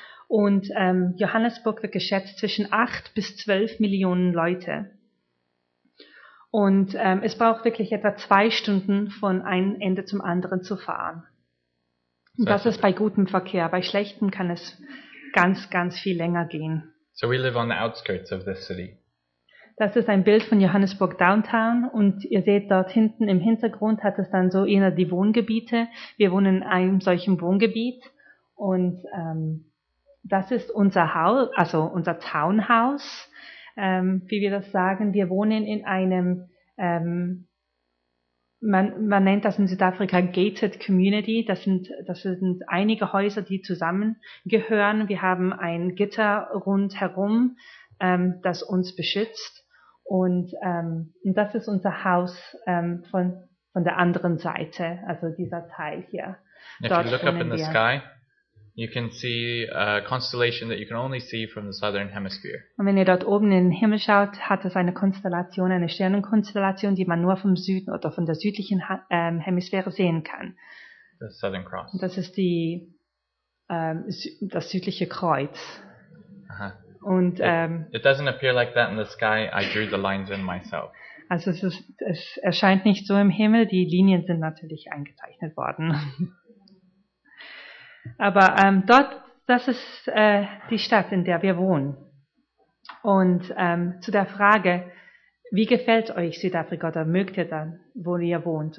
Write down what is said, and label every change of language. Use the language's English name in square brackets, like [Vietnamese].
[German] Und Johannesburg wird geschätzt zwischen 8 bis 12 Millionen Leute. Und es braucht wirklich etwa 2 Stunden von einem Ende zum anderen zu fahren. Das ist bei gutem Verkehr. Bei schlechtem kann es ganz, ganz viel länger gehen. [English] So we live on the outskirts of this city. [German] Das ist ein Bild von Johannesburg Downtown und ihr seht dort hinten im Hintergrund hat es dann so eher die Wohngebiete. Wir wohnen in einem solchen Wohngebiet und das ist unser Haus, also unser Townhouse, wie wir das sagen. Wir wohnen in einem, man nennt das in Südafrika Gated Community. Das sind einige Häuser, die zusammengehören. Wir haben ein Gitter rundherum, das uns beschützt. Und das ist unser Haus von der anderen Seite, also dieser Teil hier. [English] If you look up in the sky, you can see a constellation that you can only see from the southern hemisphere. [German] Und wenn ihr dort oben in den Himmel schaut, hat es eine Konstellation, eine Sternenkonstellation, die man nur vom Süden oder von der südlichen Hemisphäre sehen kann. [English] The Southern Cross. [German] Und das ist die das südliche Kreuz. Aha. Und, [English] it doesn't appear like that in the sky. I drew the lines in myself. [German] Also es erscheint nicht so im Himmel. Die Linien sind natürlich eingezeichnet worden. Aber dort, das ist die Stadt, in der wir wohnen. Und zu der Frage, wie gefällt euch Südafrika oder mögt ihr dann, wo ihr wohnt?